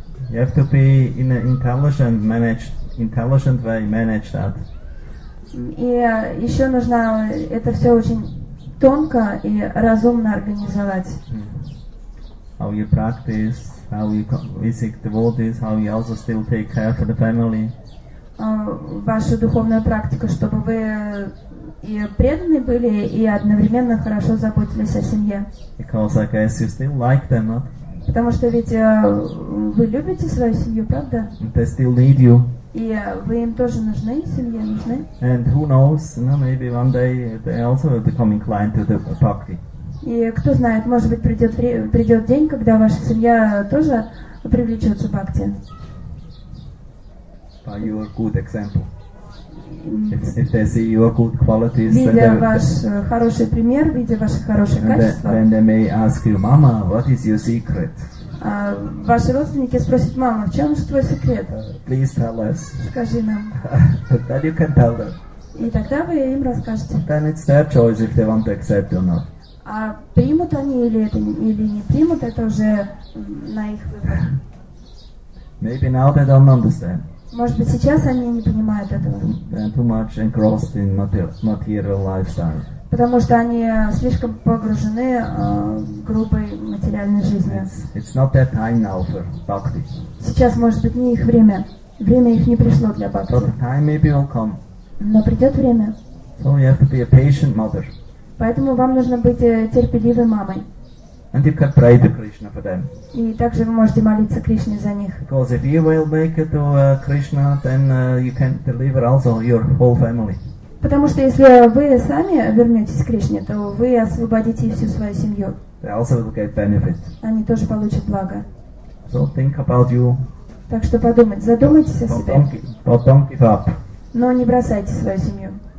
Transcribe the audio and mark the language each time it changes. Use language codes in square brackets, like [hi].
[en] You have to be in an intelligent way, manage that. [ru] И еще нужно это все очень тонко и разумно организовать. [en] How you practice, how you visit devotees, how you also still take care for the family. [ru] Ваша духовная практика, чтобы вы и преданы были, и одновременно хорошо заботились о семье. [en] Because I guess you still like them, huh? [ru] Потому что ведь вы любите свою семью, правда? [en] They still need you. [ru] И вы им тоже нужны, семья нужна. [en] And who knows, you know, maybe one day they also will become inclined to the bhakti. [ru] И кто знает, может быть, придет день, когда ваша семья тоже привлечется к бхакти. [en] By your good example. If they see your good qualities, [ru] видя ваш хороший пример, видя ваши хорошие качества, [en] then they may ask you, Mama, what is your secret? [ru] Ваши родственники спросят, мама, в чем же твой секрет? [en] Please tell us. [ru] Скажи нам. [en] Then you can tell them. [ru] И тогда вы им расскажете. [en] Then it's their choice if they want to accept or not. [ru] А примут они или это, или не примут, это уже на их выбор. [en] Maybe now they don't understand. [ru] Может быть, сейчас они не понимают этого. [en] Too much engrossed in material lifestyle. [ru] Потому что они слишком погружены грубой материальной жизни. [en] It's not that time now for bhakti. [ru] Сейчас, может быть, не их время. Время их не пришло для бхакти. [en] But the time maybe will come. [ru] Но придет время. [en] So you have to be a patient mother. [ru] Поэтому вам нужно быть терпеливой мамой. [en] And you can pray to Krishna for them. [ru] И также вы можете молиться Кришне за них. [en] Because if you will make it to Krishna, then you can deliver also your whole family. [ru] Потому что если вы сами вернетесь к Кришне, то вы освободите всю свою семью. [en] They also will get benefit. [ru] Они тоже получат благо. [en] So think about you. [ru] Так что подумайте, задумайтесь о себе. [en] But don't give up. [ru] Но не бросайте свою семью.